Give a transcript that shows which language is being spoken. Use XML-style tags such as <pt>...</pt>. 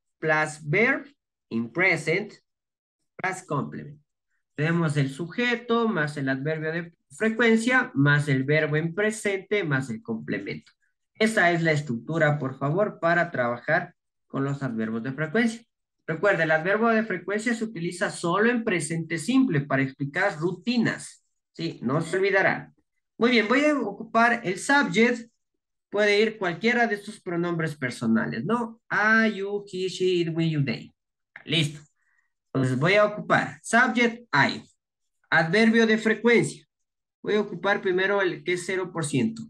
<en>Plus verb in present plus complement.</en> <es>Tenemos el sujeto más el adverbio de frecuencia más el verbo en presente más el complemento. Esa es la estructura, por favor, para trabajar con los adverbios de frecuencia. Recuerde, el adverbio de frecuencia se utiliza solo en presente simple para explicar rutinas. Sí, no se olvidará. Muy bien, voy a ocupar el subject. Puede ir cualquiera de sus pronombres personales, ¿no?</es> <en>I, you, he, she, it, we, you, they.</en> <es>Listo. Entonces voy a ocupar subject, I. Adverbio de frecuencia. Voy a ocupar primero el que es 0%.</es>